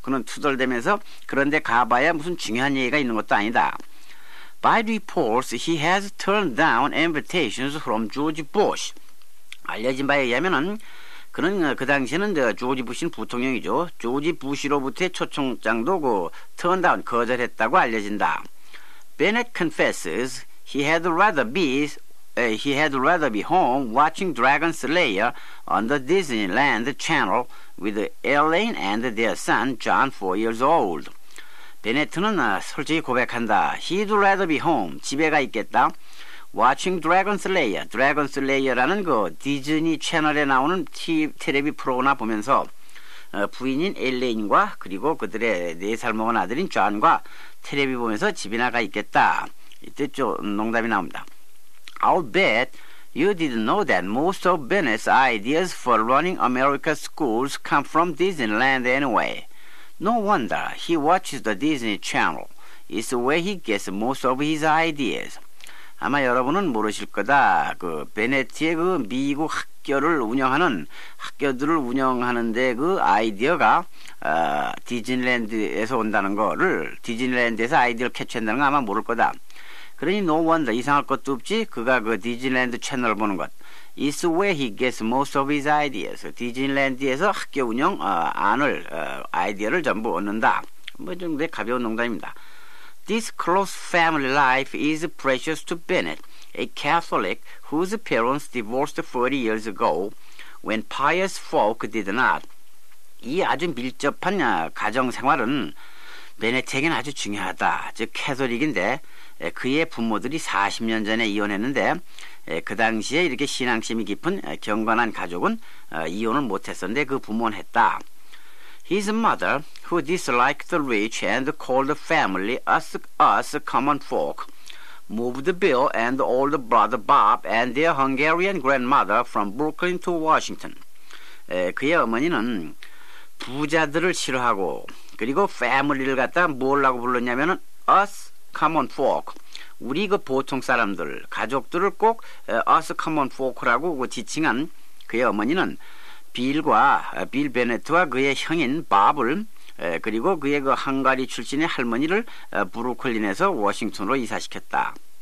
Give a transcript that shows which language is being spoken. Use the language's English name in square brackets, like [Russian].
[Korean] 그는 투덜대면서 그런데 가봐야 무슨 중요한 얘기가 있는 것도 아니다. [English] By reports, he has turned down invitations from George Bush. [Korean] 알려진 바에 의하면은 그는 그 당시에는 조지 부시는 부통령이죠. 조지 부시로부터의 초청장도 그 턴다운 거절했다고 알려진다. [English] Bennett confesses he had rather be home watching Dragon Slayer on the Disneyland Channel with Elaine and their son John 4 years old. [Korean] 베네트는 솔직히 고백한다. [English] He'd rather be home. [Korean] 집에가 있겠다. [English] Watching Dragon Slayer, [Korean] Dragon Slayer라는 그 디즈니 채널에 나오는 텔레비 프로그램 보면서 부인인 엘레인과 그리고 그들의 네 살 먹은 아들인 존과 테레비 보면서 집에 나가 있겠다. 이때 좀 농담이 나옵니다. [English] I'll bet you didn't know that most of Bennett's ideas for running America's schools come from Disneyland anyway. No wonder he watches the Disney Channel. It's where he gets most of his ideas. [Korean] 아마 여러분은 모르실 거다. 그 베네티의 그 미국 학교를 운영하는 학교들을 운영하는데 그 아이디어가 디즈니랜드에서 온다는 거를 디즈니랜드에서 아이디어를 캐치한다는 거 아마 모를 거다. 그러니 [English] no wonder [Korean] 이상할 것도 없지. 그가 그 디즈니랜드 채널을 보는 것. [English] It's where he gets most of his ideas. [Korean] 디즈니랜드에서 학교 운영 안을 아이디어를 전부 얻는다. 뭐 정도의 가벼운 농담입니다. [English] This close family life is precious to Bennett, a Catholic whose parents divorced 40 years ago when pious folk did not. [Korean] 이 아주 밀접한 가정생활은 베네트에게는 아주 중요하다. 즉 캐톨릭인데 그의 부모들이 40년 전에 이혼했는데 그 당시에 이렇게 신앙심이 깊은 경건한 가족은 이혼을 못했었는데 그 부모는 했다. [English] His mother, who disliked the rich and cold family, us common folk, moved Bill and old brother Bob and their Hungarian grandmother from Brooklyn to Washington. [Korean] 그의 어머니는 부자들을 싫어하고 그리고 family를 갖다 뭐라고 불렀냐면 [English] us common folk, [Korean] 우리 그 보통 사람들, 가족들을 꼭 us common folk라고 지칭한 그의 어머니는 빌과 빌 베네트와 그의 형인 밥을 그리고 그의 그 헝가리 출신의 할머니를 브루클린에서 워싱턴으로 이사시켰다.